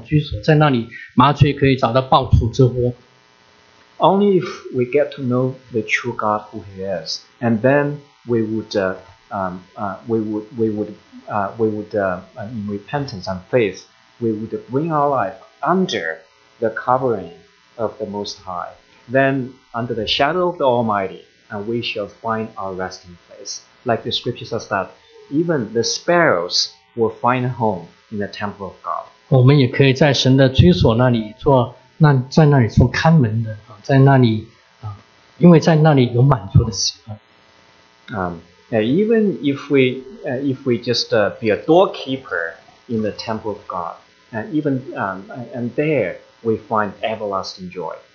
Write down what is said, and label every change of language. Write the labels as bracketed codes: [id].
[zh] 唯有我们在神的荫下，我们认识神，我们根基扎根在神的身上的时候，我们可以在他那里去找到居所，在那里麻雀可以找到暴徒之窝。 [en] Only if we get to know the true God who He is, and then we would in repentance and faith, we would bring our life under the covering of the Most High. Then, under the shadow of the Almighty, and we shall find our resting place. Like the scripture says that even the sparrows will find a home in the temple of God. [zh] 我们也可以在神的居所那里做，那在那里做看门的，在那里，因为在那里有满足的喜乐。 [en] Even if we just be a doorkeeper in the temple of God, and there we find everlasting joy.